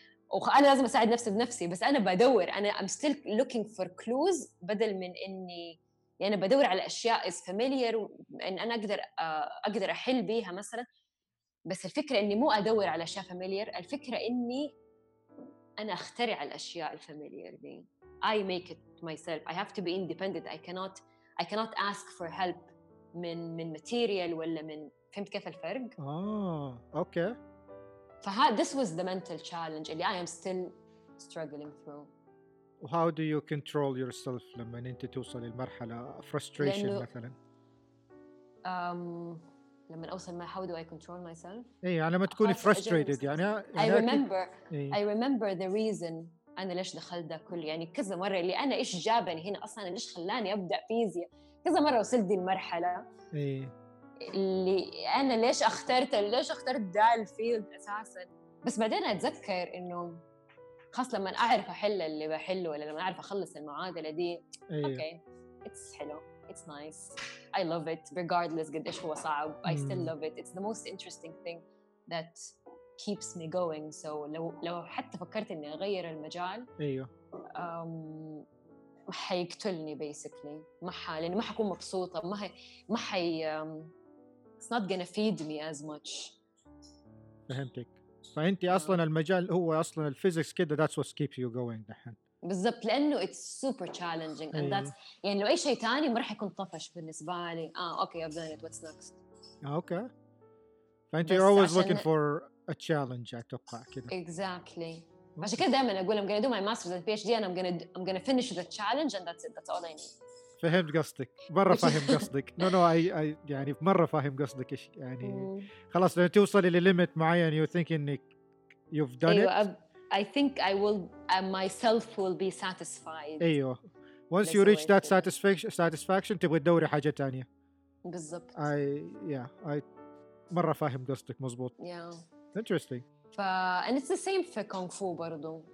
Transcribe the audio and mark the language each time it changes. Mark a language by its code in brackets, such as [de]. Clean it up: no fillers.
[ar] وأنا لازم أساعد نفسي بنفسي بس أنا بدور أنا [en] I'm still looking for clues [ar] بدل من أني يعني بدور على أشياء [en] is familiar [ar] أن أنا أقدر أحل بيها مثلا بس الفكرة إني مو أدور على أشياء familiar الفكرة إني أنا أخترع الأشياء الفاميليير دي [en] I make it myself I have to be independent I cannot ask for help [ar] من material ولا من فهمت كيف الفرق؟ أوكي [en] this was the mental challenge اللي I am still struggling through How do you control yourself [ar] لما أنت توصل للمرحلة [en] frustration مثلا؟ [ar] لما أوصل ما [en] how do I control myself. [ar] إيه على ما تكوني frustrated يعني. [en] I remember the reason [ar] أنا ليش دخلت ده كله يعني كذا مرة اللي أنا إيش جابني هنا أصلاً ليش خلاني أبدأ فيزياء كذا مرة وصلت دي المرحلة. إيه. اللي أنا ليش اخترت ليش اخترت ده الفيلد أساساً بس بعدين أتذكر إنه خاص لما أعرف أحل اللي بحله ولا لما أعرف أخلص المعادلة دي. أوكي. [en] It's حلو. It's nice. I love it regardless [ar] قد إيش هو صعب. [en] I still love it. It's the most interesting thing that keeps me going. [ar] So لو حتى فكرت إني أغير المجال. أيوه. حيقتلني basically. ما حال لأني ما حكون مبسوطة. ما حي. [en] It's not gonna feed me as much. [ar] فهمتك. فأنتي أصلاً المجال هو أصلاً الفيزيكس كده [en] that's what keeps you going [ar] دحين. بالضبط لأنه [en] it's super challenging and that's [ar] يعني لو أي شيء تاني ما رح يكون طفش بالنسبة لي. [en] Okay, I've done it. What's next? Okay. فأنتي you're always looking for a challenge [ar] أتوقع كده. [en] Exactly. عشان كده دائماً أقول I'm gonna do my master's and PhD and I'm gonna finish the challenge and that's it. That's all I need. [ar] فهمت قصدك مرة فاهم قصدك no I يعني مرة فاهم قصدك إيش يعني خلاص لما توصلي لليميت معي [en] and you think [ar] إنك [en] you've done it I think I will myself will be satisfied أيوة once you reach that satisfaction [ar] تبغى تدوري حاجة تانية بالضبط I مرة فاهم قصدك مزبوط [en] yeah interesting and it's the same for kung fu برضو